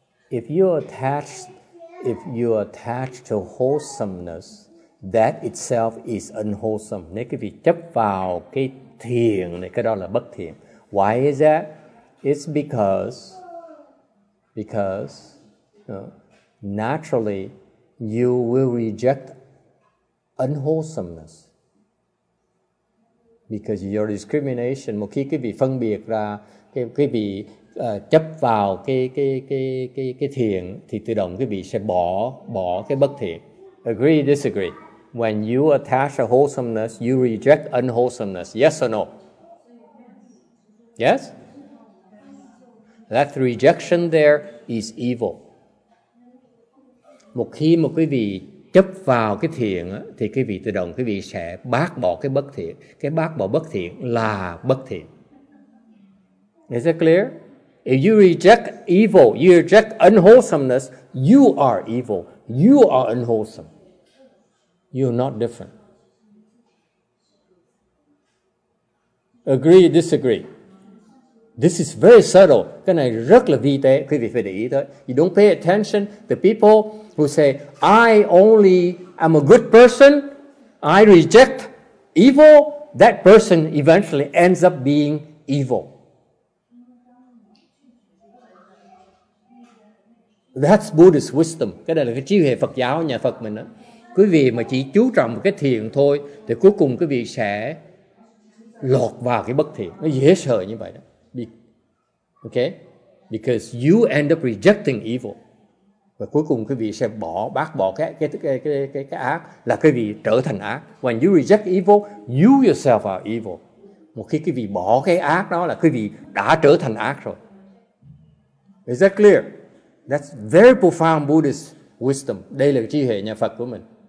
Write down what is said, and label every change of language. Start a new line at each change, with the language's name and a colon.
English: If you attach to wholesomeness, that itself is unwholesome.
Vietnamese: Nếu quý vị chấp vào cái thiền này, cái đó là bất thiện.
English: Why is that? It's because you know, naturally you will reject unwholesomeness. Because your discrimination,
Vietnamese: một khi quý vị phân biệt ra, quý vị chấp vào cái thiện, thì tự động quý vị sẽ bỏ cái bất thiện.
English: Agree, disagree. When you attach a wholesomeness, you reject unwholesomeness. Yes or no? Yes? That rejection there is evil.
Vietnamese: Một khi mà quý vị chấp vào cái thiện thì quý vị tự động quý vị sẽ bác bỏ cái bất thiện. Cái bác bỏ bất thiện là bất thiện.
English: Is it clear? If you reject evil, you reject unwholesomeness, you are evil. You are unwholesome. You are not different. Agree, disagree. This is very subtle.
Vietnamese: Cái này rất là vi tế. Quý vị phải để ý thôi.
English: You don't pay attention to people who say, I only am a good person. I reject evil. That person eventually ends up being evil. That's Buddhist wisdom.
Vietnamese: Cái này là cái trí huệ Phật giáo nhà Phật mình đó. Quý vị mà chỉ chú trọng cái thiện thôi, thì cuối cùng quý vị sẽ lọt vào cái bất thiện. Nó dễ sợ như vậy đó. Okay?
English: Because you end up rejecting evil.
Vietnamese: Và cuối cùng quý vị sẽ bác bỏ cái ác, là quý vị trở thành ác.
English: When you reject evil, you yourself are evil.
Vietnamese: Một khi quý vị bỏ cái ác đó là quý vị đã trở thành ác rồi.
English: Is that clear? That's very profound Buddhist wisdom.
Vietnamese: Đây là trí huệ nhà Phật của mình.